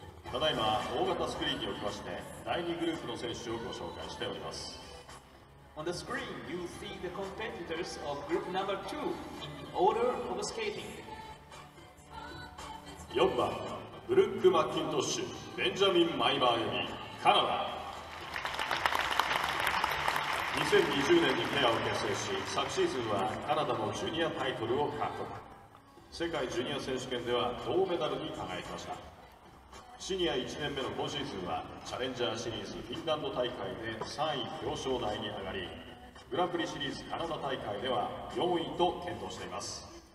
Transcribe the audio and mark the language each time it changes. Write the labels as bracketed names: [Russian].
[Japanese] ただいま大型スクリーンにおきまして第2グループの選手をご紹介しております。 [English] On the screen you see the competitors of group number 2 in order of skating. [Japanese] 4番ブルック・マッキントッシュベンジャミン・マイバー組カナダ。 2020年にペアを結成し昨シーズンはカナダのジュニアタイトルを獲得。世界ジュニア選手権では銅メダルに輝きました。シニア1年目の今シーズンはチャレンジャーシリーズフィンランド大会で3位表彰台に上がりグランプリシリーズカナダ大会では4位と健闘しています。